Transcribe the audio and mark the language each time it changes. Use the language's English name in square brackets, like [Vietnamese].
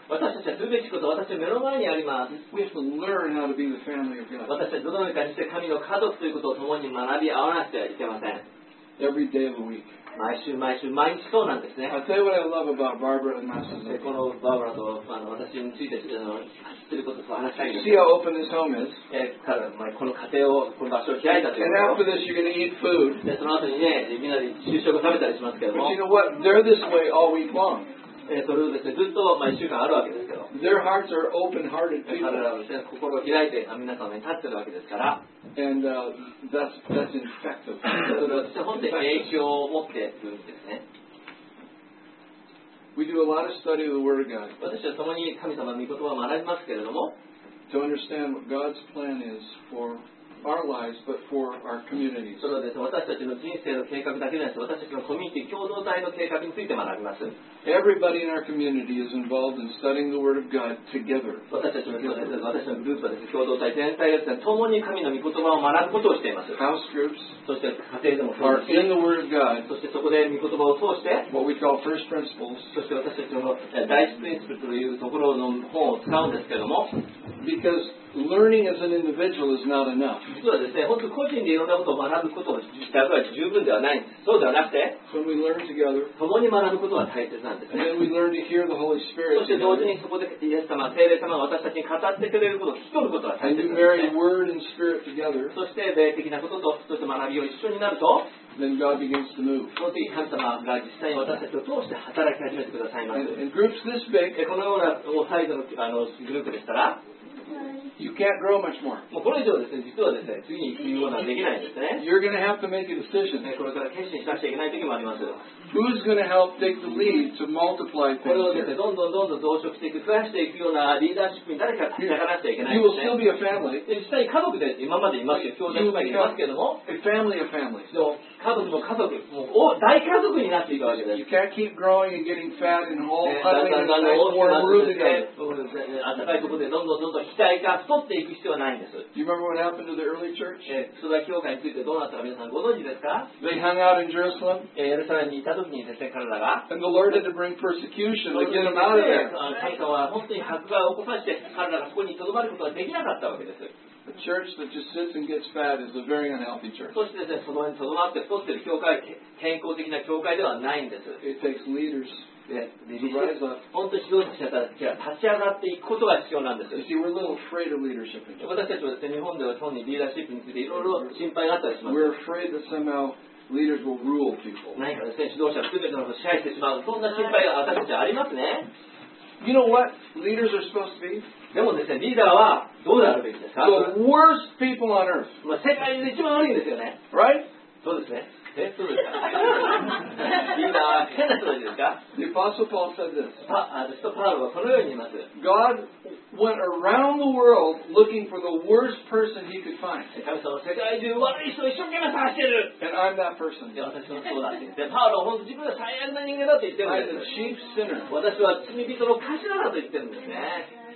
[English] We have to learn how to be the family of God. Every day of the week. I'll tell you what I love about Barbara and Masa. [Japanese] お話したいんです。 [English] See how open this home is. [Japanese] この家庭を、この場所を開いたということ。 [English] And after this, you're going to eat food. [Japanese] で、その後にね、みんなで昼食を食べたりしますけども。 [English] But you know what? They're this way all week long. [Japanese] それをですね、ずっと、まあ、1週間あるわけですけど。 [English] Their hearts are open-hearted people. [Japanese] 彼らはですね、心を開いて、皆様に立っているわけですから。 [English] And, that's infective. [Japanese] それは本当に影響を持っているんですね。 [English] We do a lot of study of the Word of God. [Japanese] 私は共に神様の御言葉を学びますけれども。 [English] To understand what God's plan is for our lives, but for our communities. [Japanese] それはですね、私たちの人生の計画だけではなくて、私たちのコミュニティ、共同体の計画について学びます。 [English] Everybody in our community is involved in studying the Word of God together. [Japanese] 私たちのグループはですね、共同体全体ですね、共に神の御言葉を学ぶことをしています。 [English] House groups, [Japanese] そして家庭でもそうですし、 [English] are in the Word of God, [Japanese] そしてそこで御言葉を通して、 [English] what we call first principles, [Japanese] そして私たちの第一プリンシプルというところの本を使うんですけども、 [English] becauseLearning as an individual is not enough. [Japanese] 実はですね、本当個人でいろんなことを学ぶことは十分ではないんです。そうではなくて、 [English] When we learn together, [Japanese] 共に学ぶことは大切なんです、ね。 [English] And then we learn to hear the Holy Spirit. [Japanese] そして同時にそこでイエス様、聖霊様が私たちに語ってくれることを聞き取ることは大切なんです、ね。 [English] And you marry word and spirit together. [Japanese] そして霊的なことと、そして学びを一緒になると、 [English] Then God begins to move. [Japanese] その時神様が実際に私たちを通して働き始めてくださいます。 [English] And groups this big, [Japanese] このようなサイズの、グループでしたら、 [English] You can't grow much more. [Japanese] もうこれ以上ですね、実はですね、次に行くことはできないんですね。 [English] You're gonna have to make a decision. [Japanese] これから決心しなくちゃいけない時もあります。 [English] Who's gonna help take the lead to multiply things? [Japanese] これをですね、どんどんどんどん増殖していく、増やしていくようなリーダーシップに誰かが立ち上がらなくちゃいけないんですね。 [English] You will still be a family. [Japanese] 実際家族で今までいますけど、兄弟姉妹いますけども。 [English] A family of families. [Japanese] 家族も家族、もう大家族になっていくわけです。 [English] You can't keep growing and getting fat and all huddling and all warm rooted. [Japanese] 暖かいところでどんどんどんどん肥大化、太っていく必要はないんです。 [English] Do you remember what happened to the early church? [Japanese] 初代教会についてどうなったか皆さんご存知ですか? [English] They hung out in Jerusalem. [Japanese] エルサレムにいた時にですね、彼らが。 [English] And the Lord had to bring persecution to get them out of there. [Japanese] 神様は本当に迫害を起こさせて、彼らがここに留まることができなかったわけです。 [English] A church that just sits and gets fat is a very unhealthy church. [Japanese] そしてですね、その辺にとどまって太ってる教会、健康的な教会ではないんです。 [English] It takes leaders to rise up. [Japanese] 本当に指導者たちが立ち上がっていくことが必要なんです。 [English] You see, we're a little afraid of leadership. [Japanese] 私たちはですね、日本では特にリーダーシップについていろいろ心配があったりします。 [English] We're afraid that somehow leaders will rule people. [Japanese] 何かですね、指導者すべてのことを支配してしまう、そんな心配が私たちはありますね。 [English] You know what leaders are supposed to be? [Japanese] でもですね、リーダーはどうであるべきですか? [English] The worst people on earth. [Japanese] まあ、世界で一番悪いんですよね。 [English] Right? [Japanese] そうですね。え、そうですか? リーダーは変な人ですか? [English] The Apostle Paul said this. [Japanese] パウロはこのように言います。 [English] God went around the world looking for the worst person he could find. [Japanese] 神様は世界中悪い人を一生懸命探してる。 [English] And I'm that person. [Japanese] 私もそうだ。で、パウロは本当に自分は最悪な人間だと言ってるんです。 [English] I'm the chief sinner. [Japanese] 私は罪人の頭だと言ってるんですね。